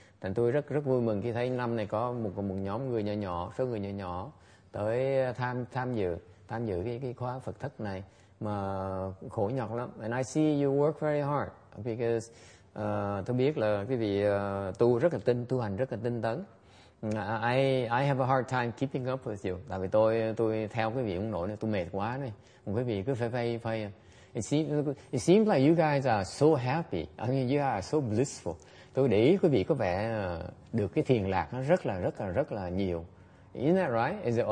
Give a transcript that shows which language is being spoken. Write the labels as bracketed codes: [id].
[vi] Thành tôi rất rất vui mừng khi thấy năm này có một nhóm người nhỏ nhỏ, số người nhỏ nhỏ tới tham dự cái khóa Phật thất này mà khổ nhọc lắm. [en] And I see you work very hard because [vi] tôi biết là quý vị tu hành rất là tinh tấn. [en] I have a hard time keeping up with you. [vi] Tại vì tôi theo quý vị không nổi nữa, tôi mệt quá này. Một quý vị cứ phải. [en] It seems like you guys are so happy. I mean, you are so blissful. [vi] Tôi để ý quý vị có vẻ được cái thiền lạc nó rất là nhiều. [en] Isn't that right?